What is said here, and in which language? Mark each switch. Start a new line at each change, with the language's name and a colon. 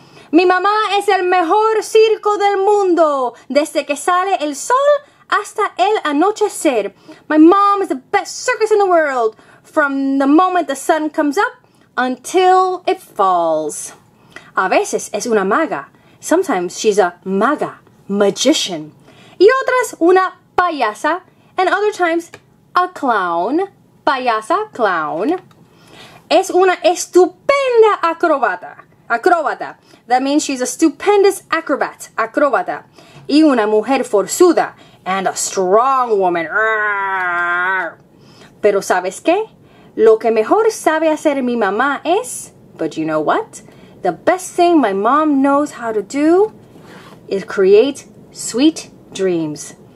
Spanish: Mi mamá es el mejor circo del mundo. Desde que sale el sol hasta el anochecer.
English: My mom is the best circus in the world. From the moment the sun comes up until it falls.
Spanish: A veces es una maga.
English: Sometimes she's a maga, magician.
Spanish: Y otras una payasa.
English: And other times a clown. Payasa, clown.
Spanish: Es una estupenda acrobata.
English: Acrobata. That means she's a stupendous acrobat. Acrobata.
Spanish: Y una mujer forzuda.
English: And a strong woman.
Spanish: Arr! Pero ¿sabes qué? Lo que mejor sabe hacer mi mamá es...
English: But you know what? The best thing my mom knows how to do is create sweet dreams.